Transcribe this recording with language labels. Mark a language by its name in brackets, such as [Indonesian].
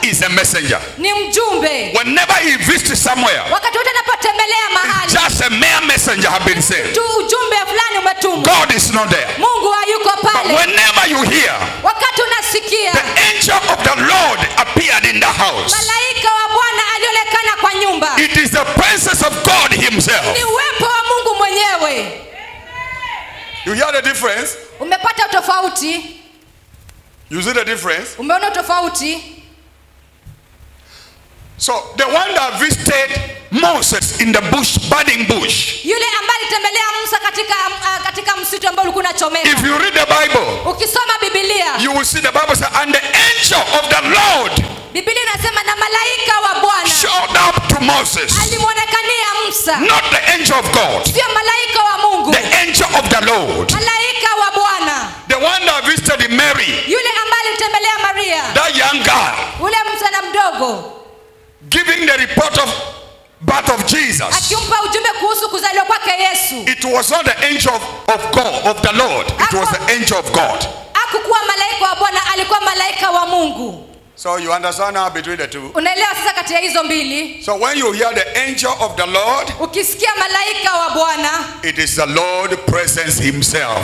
[English] Is a messenger. [Swahili] Ni mjumbe. [English] Whenever he visits somewhere. [Swahili] Wakati wote anapotembelea mahali. [English] Just a mere messenger has been sent. [Swahili] Tu ujumbe fulani umetumwa. [English] God is not there. [Swahili] Mungu hayuko pale. [English] But whenever you hear. [Swahili] Wakati unasikia. [English] The angel of the Lord appeared in the house. [Swahili] Malaika wa Bwana alionekana kwa nyumba. [English] It is the presence of God himself. [Swahili] Ni uwepo wa Mungu mwenyewe. [English] You hear the difference? [Swahili] Umepata tofauti? [English] You see the difference? [Swahili] Umeona tofauti? [English] So the one that visited Moses in the bush, burning bush. [Swahili] Yule ambaye alitembelea Musa katika msitu ambao ulikuwa unachomeka. [English] If you read the Bible. [Swahili] Ukisoma Biblia. [English] You will see the Bible says, and the angel of the Lord. [Swahili] Biblia inasema na malaika wa Bwana. [English] Showed up to Moses. [Swahili] Alimuonekania Musa. kumsa. [English] Not the angel of God. [Swahili] Sio malaika wa Mungu. [English] The angel of the Lord. [Swahili] Malaika wa Bwana. [English] The one that visited Mary. [Swahili] Yule ambaye alitembelea Maria. [English] That young girl. [Swahili] Ule msana mdogo. [English] Giving the report of birth of Jesus. [Swahili] Akimpa ujumbe kuhusu kuzaliwa kwake Yesu. [English] It was not the angel of God, of the Lord. It was the angel of God. [Swahili] Hakukuwa malaika wa Bwana, alikuwa malaika wa Mungu. [English] So you understand now between the two. [Swahili] Unaelewa sasa kati ya hizo mbili. [English] So when you hear the angel of the Lord, [Swahili] ukisikia malaika wa Bwana, [English] it is the Lord presence himself.